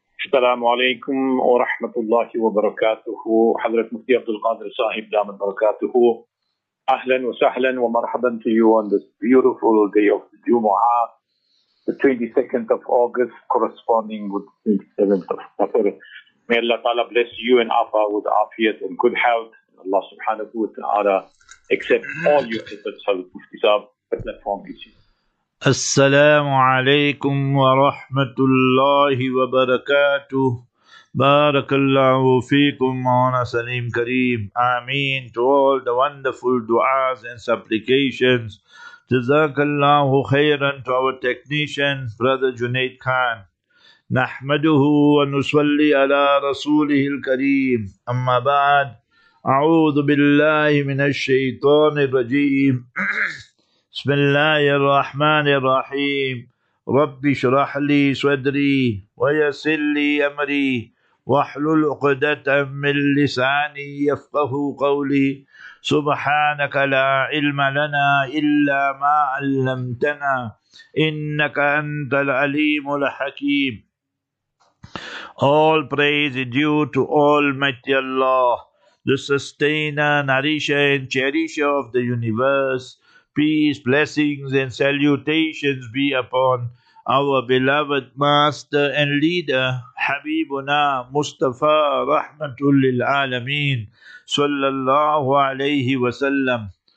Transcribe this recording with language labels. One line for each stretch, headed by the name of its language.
Arabic: السلام عليكم ورحمة الله وبركاته. حضرة مفتي عبد القادر صاحب دام البركاته، أهلا وسهلا ومرحبا
English: to you on this beautiful day of Jumu'ah, the 22nd of August, corresponding with the 27th of Safar. May Allah Ta'ala bless you and Afa with afiyat and good health. Allah Subhanahu wa Ta'ala accept all your efforts. Hadith Mufti Sahib, the platform is yours.
Arabic: السلام عليكم ورحمة الله وبركاته. بارك الله فيكم مولانا سليم كريم. آمين.
English: To all the wonderful du'as and supplications. Jazakallahu khairan to our technician, Brother Junaid Khan.
Arabic: نحمده ونصلي على رسوله الكريم. أما بعد، أعوذ بالله من الشيطان الرجيم. بسم الله الرحمن الرحيم. رب اشرح لي صدري ويسر لي امري واحلل عقدة من لساني يفقه قولي. سبحانك لا علم لنا الا ما علمتنا انك انت العليم الحكيم.
English: All praise is due to Almighty Allah, the sustainer, nourisher and cherisher of the universe. Peace, blessings, and salutations be upon our beloved master and leader, Habibuna Mustafa Rahmatul Lil Alameen, Sallallahu Alaihi Wasallam.